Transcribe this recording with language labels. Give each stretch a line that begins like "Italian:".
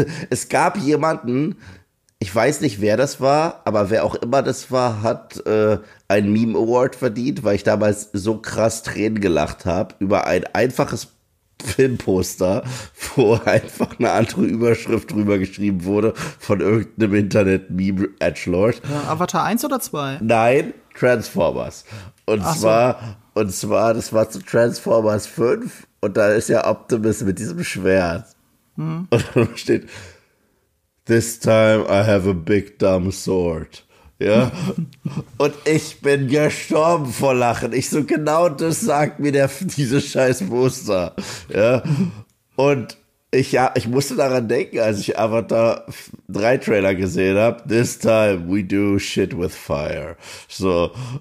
German: es gab jemanden, ich weiß nicht, wer das war, aber wer auch immer das war, hat einen Meme-Award verdient, weil ich damals so krass Tränen gelacht habe über ein einfaches Filmposter, wo einfach eine andere Überschrift drüber geschrieben wurde von irgendeinem Internet-Meme-Edgelord. Ja, Avatar 1 oder 2? Nein, Transformers. Und zwar, das war zu Transformers 5 und da ist ja Optimus mit diesem Schwert. Hm. Und da steht...
English: This time I have a big dumb sword.
German: Ja? Und ich bin gestorben vor Lachen. Ich so, genau das sagt mir diese scheiß Booster. Ja? Und ich musste daran denken, als ich Avatar 3 Trailer gesehen habe.
English: This time we do shit with fire. So.